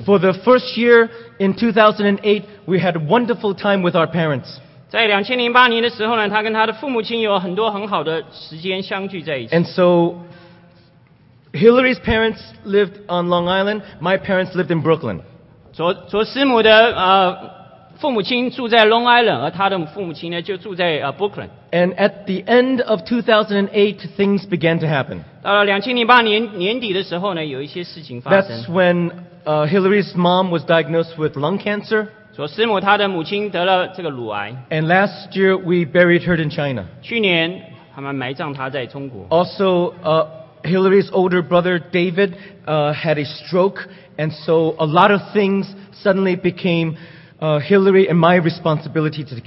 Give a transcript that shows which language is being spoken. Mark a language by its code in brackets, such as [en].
[en] For the first year in 2008, we had a wonderful time with our parents. [zh] 在 2008年的时候呢, 他跟他的父母亲有很多很好的时间相聚在一起。 [en] And so, Hillary's parents lived on Long Island, my parents lived in Brooklyn. [zh] 卓师母的, 父母亲住在 Long Island, 而他的父母亲呢, 就住在, Brooklyn. [en] And at the end of 2008, things began to happen. [zh] 到了2008年年底的时候呢, 有一些事情发生。 [en] That's when Hillary's mom was diagnosed with lung cancer. [zh] 卓师母她的母亲得了这个乳癌。 [en] And last year, we buried her in China. [zh] 去年,他们埋葬她在中国。 [en] Also, Hillary's older brother, David, had a stroke, and so a lot of things suddenly became Hillary and my responsibility